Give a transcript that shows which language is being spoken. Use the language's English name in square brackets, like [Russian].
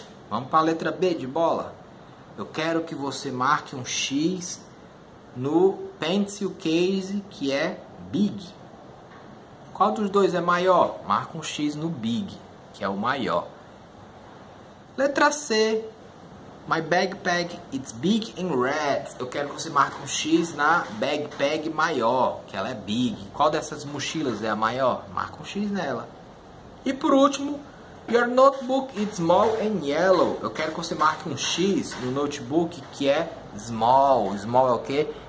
[Portuguese] Vamos para a letra B de bola. Eu quero que você marque um X no pencil case, que é big. Qual dos dois é maior? Marca um X no big, que é o maior. Letra C. [English] My backpack is big and red. [Portuguese] Eu quero que você marque um X na backpack maior, que ela é big. Qual dessas mochilas é a maior? Marca um X nela. E por último, [English] your notebook is small and yellow. [Portuguese] Eu quero que você marque um X no notebook, que é small. Small é o quê?